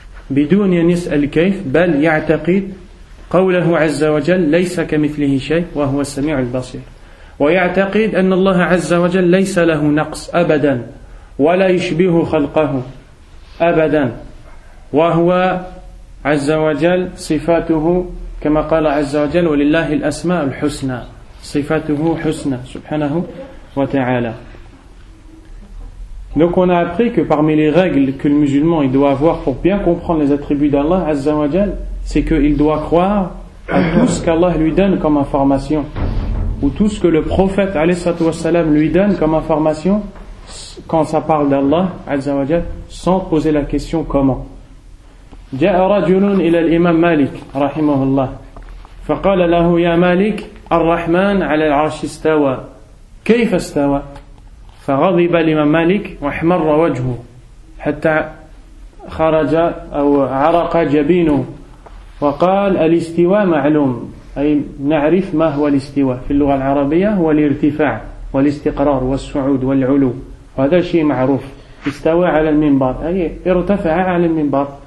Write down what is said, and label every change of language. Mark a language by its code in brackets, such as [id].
[ar] بدون أن يسأل كيف بل يعتقد قوله عز وجل ليس كمثله شيء وهو السميع البصير ويعتقد أن الله عز وجل ليس له نقص أبدا ولا يشبه خلقه أبدا وهو عز وجل صفاته كما قال عز وجل ولله الأسماء الحسنى صفاته حسنى سبحانه وتعالى. [fr] Donc on a appris que parmi les règles que le musulman il doit avoir pour bien comprendre les attributs d'Allah Azza wa Jal, c'est qu'il doit croire à tout ce qu'Allah lui donne comme information, ou tout ce que le prophète alayhi wa sallam lui donne comme information quand ça parle d'Allah Azza wa Jal, sans poser la question comment. [ar] جاء رجل إلى الإمام مالك رحمه الله فقال له يا مالك الرحمن على العرش استوى كيف استوى فغضب الإمام مالك واحمر وجهه حتى خرج أو عرق جبينه وقال الاستواء معلوم أي نعرف ما هو الاستواء في اللغة العربية هو الارتفاع والاستقرار والصعود والعلو وهذا شيء معروف استوى على المنبر أي ارتفع على المنبر